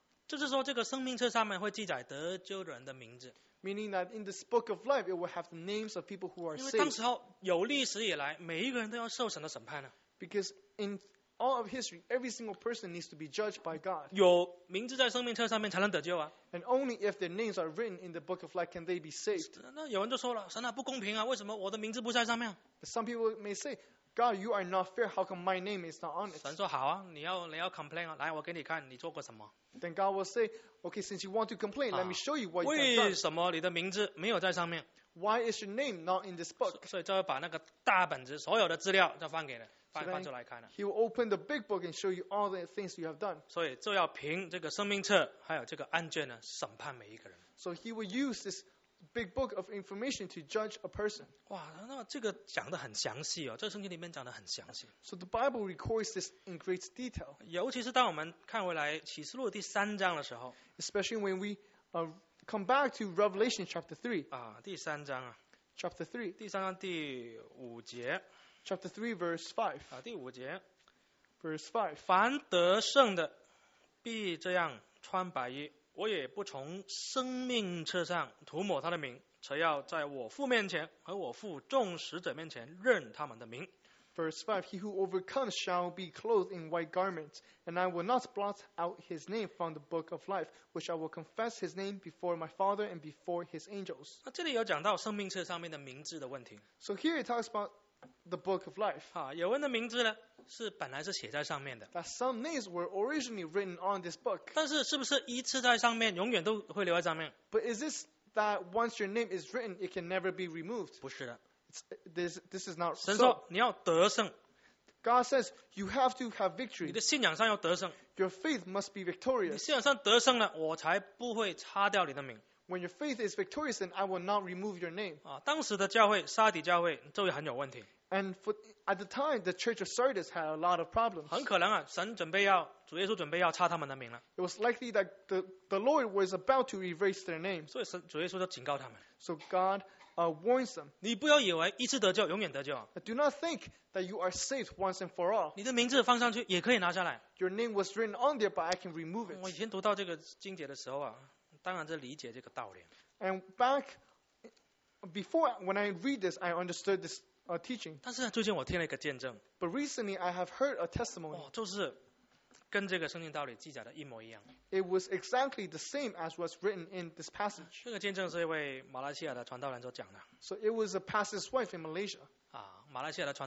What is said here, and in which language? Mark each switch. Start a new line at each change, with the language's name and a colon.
Chinese: 就是说，这个生命册上面会记载得救人的名字。
English: Meaning that in this book of life, it will have the names of people who are saved.
Chinese: 因为当时候有历史以来, 每一个人都要受神的审判啊。
English: Because in all of history, every single person needs to be judged by God.
Chinese: 有名字在生命册上面才能得救啊。
English: And only if their names are written in the book of life can they be saved.
Chinese: 那有人就说了, 神啊, 不公平啊, 为什么我的名字不在上面?
English: Some people may say, God, you are not fair. How come my name is not on it?
Chinese: 神说好啊, 你要 complain啊, 来我给你看, 你做过什么?
English: Then God will say, okay, since you want to complain, let me show you what you've done.
Chinese: 为什么你的名字没有在上面?
English: Why is your name not in this book?
Chinese: 所以就要把那个大本子所有的资料就翻出来看了。
English: He will open the big book and show you all the things you have done.
Chinese: 所以就要凭这个生命册还有这个案卷呢审判每一个人。
English: So he will use this big book of information to judge a person.
Chinese: 哇，那这个讲得很详细哦，这圣经里面讲得很详细。
English: So the Bible records this in great detail.
Chinese: 尤其是当我们看回来启示录第三章的时候。
English: Especially when we come back to Revelation chapter 3.
Chinese: 啊，第三章啊。
English: Chapter 3.
Chinese: 第三章第五节。
English: Chapter 3 verse 5.
Chinese: 啊，第五节。
English: Verse 5.
Chinese: 凡得胜的必这样穿白衣。我也不从生命册上涂抹他的名，只要在我父面前和我父众使者面前认他们的名。
English: Verse 5, He who overcomes shall be clothed in white garments, and I will not blot out his name from the book of life, which I will confess his name before my Father and before his angels.
Chinese: 那这里有讲到生命册上面的名字的问题。So
English: here it talks about the book of life.
Chinese: 有人的名字呢?是本来是写在上面的,
English: that some names were originally written on this book.
Chinese: 但是是不是一次在上面, 永远都会留在上面?
English: But is this that once your name is written, it can never be removed?
Chinese: 不是的,
English: this is not
Chinese: 神说,
English: so.
Chinese: 你要得胜,
English: God says, you have to have victory.
Chinese: 你的信仰上要得胜,
English: your faith must be victorious.
Chinese: 你信仰上得胜了, 我才不会擦掉你的名。
English: When your faith is victorious, then I will not remove your name.
Chinese: 当时的教会, 撒底教会, 就会很有问题。
English: And at the time, the church of Sardis had a lot of problems.
Chinese: 很可能啊, 神准备要, 主耶稣准备要擦他们的名了。
English: It was likely that the Lord was about to erase their name.
Chinese: 所以神, 主耶稣就警告他们。
English: So God warns them.
Chinese: 你不要以为一次得救, 永远得救。
English: But do not think that you are saved once and for all.
Chinese: 你的名字放上去, 也可以拿下来。
English: Your name was written on there, but I can remove it.
Chinese: 我以前读到这个经节的时候啊, 当然就理解这个道理。
English: And back, before, when I read this, I understood this. Teaching.
Chinese: 但是最近我听了一个见证,
English: but recently I have heard a testimony.
Chinese: 就是跟这个圣经道理记载的一模一样。
English: It was exactly the same as what's written in this passage.
Chinese: 这个见证是一位马来西亚的传道人所讲的。
English: So it was a pastor's wife in Malaysia.